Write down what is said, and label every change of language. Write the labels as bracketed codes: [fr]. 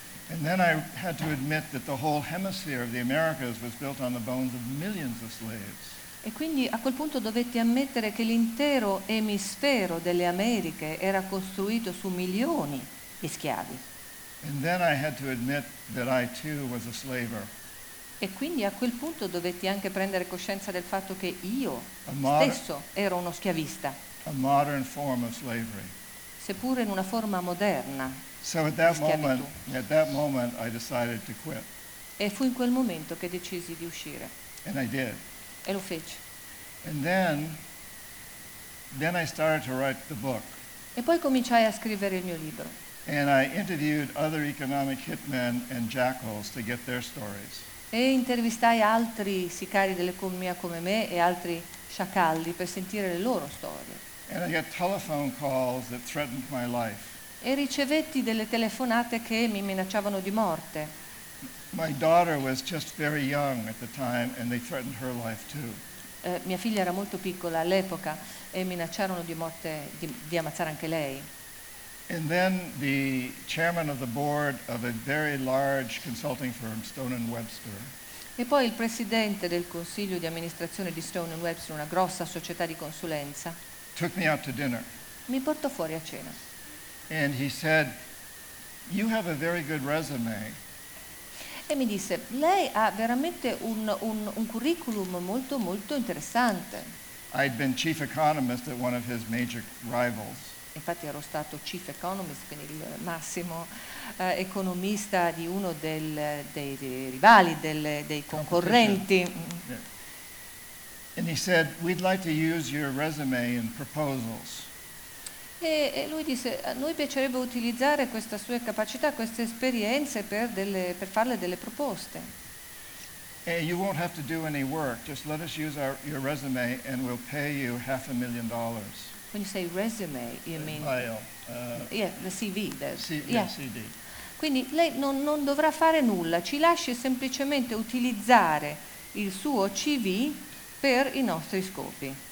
[en] And then I had to admit that the whole hemisphere of the Americas was built on the bones of millions of slaves. [it] E quindi a quel punto dovetti ammettere che l'intero emisfero delle Americhe era costruito su milioni di schiavi. [en] And then I had to admit that I too was a slaver. [it] E quindi a quel punto dovetti anche prendere coscienza del fatto che io stesso ero uno schiavista. [en] A modern form of slavery. [it] Seppure in una forma moderna. [en] So at that moment I decided to quit. [it] E fu in quel momento che decisi di uscire. [en] And I did. [it] E lo feci. [en] And then I started to write the book. [it] E poi cominciai a scrivere il mio libro. [en] And I interviewed other economic hitmen and jackals to get their stories. [it] E intervistai altri sicari dell'economia come me e altri sciacalli per sentire le loro storie. [en] And I got telephone calls that threatened my life. [it] E ricevetti delle telefonate che mi minacciavano di morte. [en] My daughter was just very young at the time and they threatened her life too. [it] Mia figlia era molto piccola all'epoca e minacciarono di morte di ammazzare anche lei. [en] And then the chairman of the board of a very large consulting firm, Stone and Webster. [it] E poi il presidente del consiglio di amministrazione di Stone and Webster, una grossa società di consulenza. [en] Took me out to dinner. [it] Mi portò fuori a cena. [en] And he said, "You have a very good resume." [it] E mi disse, lei ha veramente un curriculum molto, molto interessante. [en] I'd been chief economist at one of his major rivals. [it] Infatti ero stato chief economist, quindi il massimo economista di uno dei rivali, dei concorrenti. [en] Yeah. And he said, we'd like to use your resume in proposals. [it] E lui disse, a noi piacerebbe utilizzare questa sua capacità, queste esperienze per farle delle proposte. [en] You won't have to do any work, just let us use your resume and we'll pay you $500,000. When you say resume, you mean... the CV. CD. [it] Quindi lei non dovrà fare nulla, ci lasci semplicemente utilizzare il suo CV per i nostri scopi.